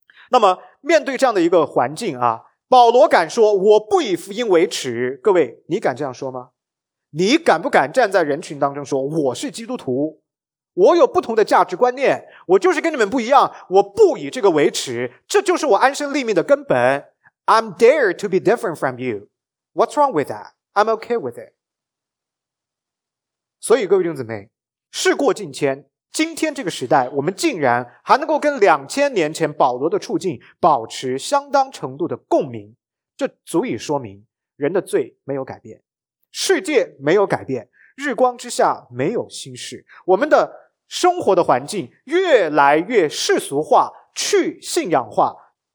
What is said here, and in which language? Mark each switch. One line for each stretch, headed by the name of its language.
Chinese: 那么面对这样的一个环境啊，保罗敢说我不以福音为耻。各位，你敢这样说吗？你敢不敢站在人群当中说我是基督徒，我有不同的价值观念，我就是跟你们不一样，我不以这个为耻，这就是我安身立命的根本。
English: I'm dare to be different from you. What's wrong with that? I'm okay with it.
Chinese: 所以各位弟兄姊妹，事过境迁，今天这个时代我们竟然还能够跟2000年前保罗的处境保持相当程度的共鸣，这足以说明人的罪没有改变，世界没有改变，日光之下没有新事，我们的生活的环境越来越世俗化，去信仰化。